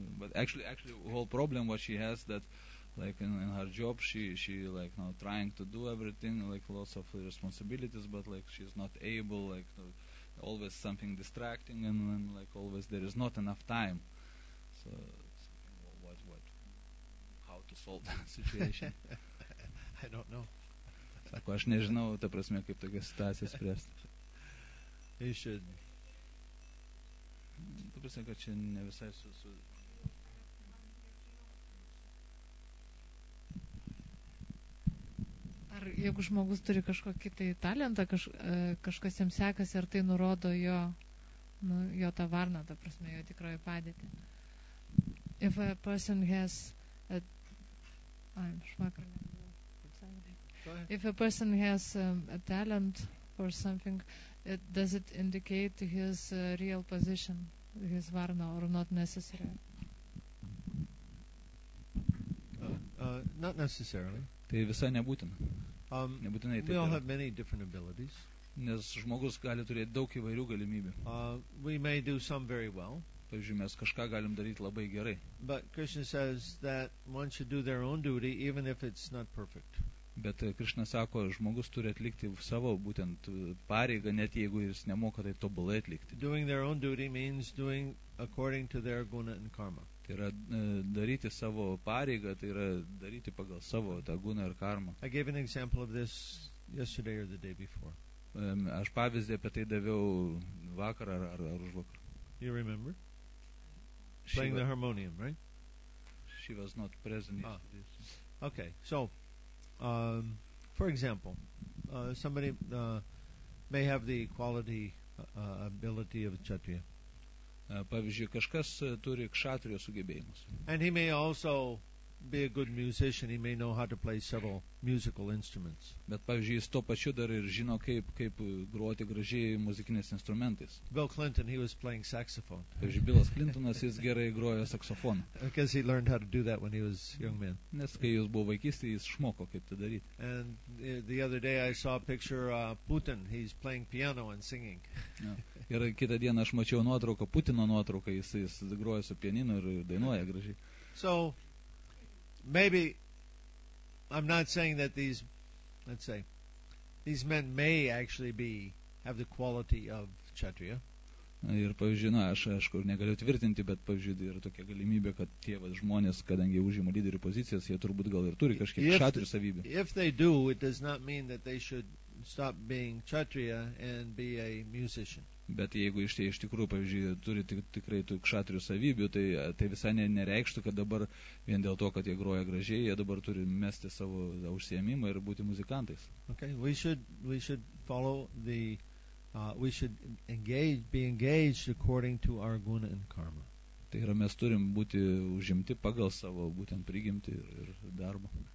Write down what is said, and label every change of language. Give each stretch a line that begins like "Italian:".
English: But actually whole problem what she has that like in her job she like now trying to do everything, like lots of responsibilities, but like she's not able, like always something distracting, and like always there is not enough time. So something, what how to solve that situation. I don't know.
Lithuanian: Sako, aš nežinau, ta prasme, kaip tokia situacija spręsti.
English: He should.
Lithuanian: Ta prasme, kad čia ne visai su... Ar jeigu žmogus turi kažkokį tai talentą, kažkas jam sekasi, ar tai nurodo jo, nu, jo tą varną, ta prasme, jo tikroji padėtį.
English: If a person has a... I'm švakar... If a person has a talent or something, it, does it indicate his real position, his varna, or not necessary? Not necessarily.
Lithuanian: Tai visai nebūtina. Nebūtinai taip.
English: We all have many different abilities.
Lithuanian: Nes žmogus gali turėti daug įvairių galimybių.
English: We may do some very well.
Lithuanian: Pavyzdžiui, mes kažką galim daryti labai gerai.
English: But Krishna says that one should do their own duty, even if it's not perfect.
Lithuanian: Bet Krishna sako, žmogus turi atlikti savo būtent pareigą, net jeigu jis nemoka tai tobulai atlikti.
English: Doing their own duty means doing according to their guna and karma.
Lithuanian: Tai yra daryti savo pareigą, tai yra daryti pagal savo tą guną ir karmą.
English: I gave an example of this yesterday or the day before.
Lithuanian: Aš pavyzdį apie tai daviau vakar ar už vakar.
English: You remember? Playing the harmonium, right? She was not present. Ah. Okay, so for example, somebody may have the quality ability of kshatriya.
Lithuanian: Pavyzdžiui, kažkas turi kshatrio sugebėjimus.
English: And he may also be a good musician. He may know how to play several musical instruments.
Lithuanian: Bet pavyzdžiui, jis to pačiu dar ir žino kaip groti gražiai muzikiniais instrumentais.
English: Bill Clinton, he was playing saxophone.
Lithuanian: Pavyzdžiui, Billas Clintonas, jis gerai grojo saksofoną.
English: Because he learned how to do that when he was young man.
Lithuanian: Nes kai jis buvo vaikystė, jis išmoko kaip tai daryti.
English: And the other day I saw a picture of Putin. He's playing piano and singing.
Lithuanian: Ir kitą dieną aš mačiau nuotrauką, Putino nuotrauką, jis groja su pianinu ir dainuoja gražiai.
English: So, maybe, I'm not saying that these, let's say, these men may actually be, have the quality of Kshatriya.
Lithuanian: Ir, pavyzdžiui, na, aš kur negaliu tvirtinti, bet, pavyzdžiui, yra tokia galimybė, kad tie va, žmonės, kadangi užima lyderių pozicijas, jie turbūt gal ir turi kažkiek kšatrių savybę.
English: If they do, it does not mean that they should stop being kšatrija and be a musician.
Lithuanian: Bet jeigu iš tikrųjų, pavyzdžiui, turi tikrai tų kšatrių savybių, tai visai nereikštų, kad dabar vien dėl to, kad jie groja gražiai, jie dabar turi mesti savo užsiemimą ir būti muzikantais.
English: Okay, we should follow the... we should be engaged according to our guna and karma.
Lithuanian: Tai yra, mes turim būti užimti pagal savo būtent prigimtį ir darbą.